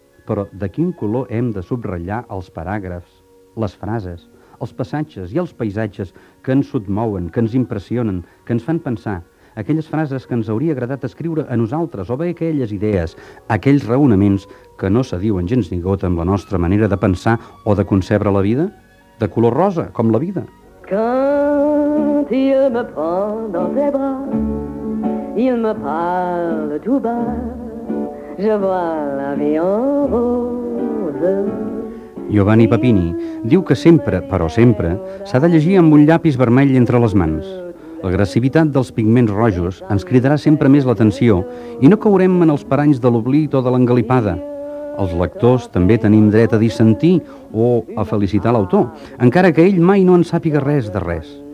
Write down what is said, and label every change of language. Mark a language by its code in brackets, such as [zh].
[ca] Però de quin color hem de subratllar els paràgrafs, les frases, els passatges i els paisatges que ens sotmouen, que ens impressionen, que ens fan pensar, aquelles frases que ens hauria agradat escriure a nosaltres, o bé aquelles idees, aquells raonaments que no se diuen gens ni gota amb la nostra manera de pensar o de concebre la vida? De color rosa, com la vida. [fr] Quand il me prend dans ses bras, il me parle tout bas, je vois la vie en rose. [ca] Giovanni Papini diu que sempre, però sempre, s'ha de llegir amb un llapis vermell entre les mans. L'agressivitat dels pigments rojos ens cridarà sempre més l'atenció i no caurem en els paranys de l'oblit o de l'engalipada. Els lectors també tenim dret a dissentir o a felicitar l'autor, encara que ell mai no en sàpiga res de res.